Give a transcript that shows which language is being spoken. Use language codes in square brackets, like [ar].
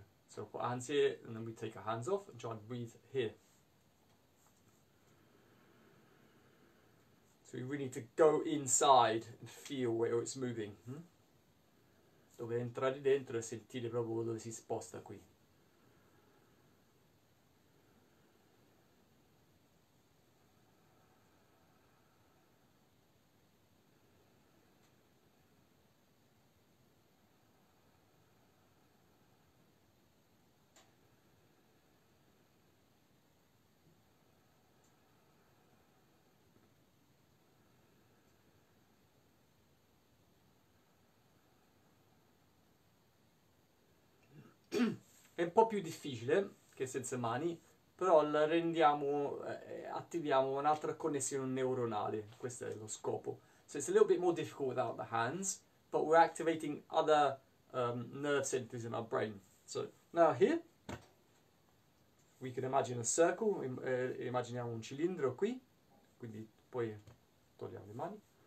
[en] So, anzi, and then we take our hands off and try and breathe here. So we really need to go inside and feel where it's moving. [it] Dove entrare dentro e sentire proprio dove si sposta qui. È un po' più difficile che senza mani, però la rendiamo, attiviamo un'altra connessione neuronale. Questo è lo scopo. [en] So it's a little bit more difficult without the hands, but we're activating other nerve centers in our brain. So now here, we can imagine a circle, [it] immaginiamo un cilindro qui, quindi poi togliamo le mani.